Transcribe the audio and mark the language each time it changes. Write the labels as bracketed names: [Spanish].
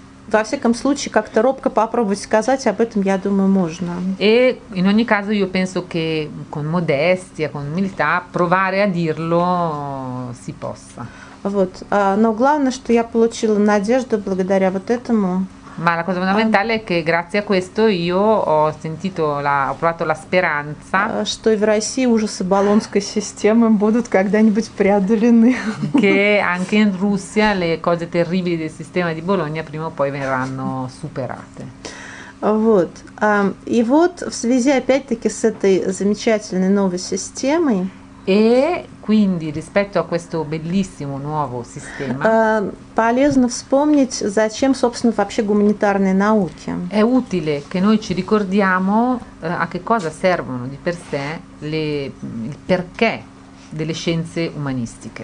[Russian] Во всяком случае, как-то робко попробовать сказать об этом, я думаю, можно. [Italian] E in ogni caso io penso che con modestia, con umiltà, provare a dirlo si possa. [Russian] Вот. Но главное, что я получила надежду благодаря вот этому. [Italian] Ma la cosa fondamentale è che grazie a questo io ho sentito la, ho provato la speranza. [Russian] Что в России ужасы Болонской системы будут когда-нибудь преодолены. [Italian] Che anche in Russia le cose terribili del sistema di Bologna prima o poi verranno superate. [Russian] Вот. И вот в связи опять-таки с этой замечательной новой системой. [Italian] E quindi rispetto a questo bellissimo nuovo sistema [Russian] полезно вспомнить, зачем, собственно, вообще гуманитарные науки. [Italian] È utile che noi ci ricordiamo a che cosa servono di per sé le, il perché delle scienze umanistiche.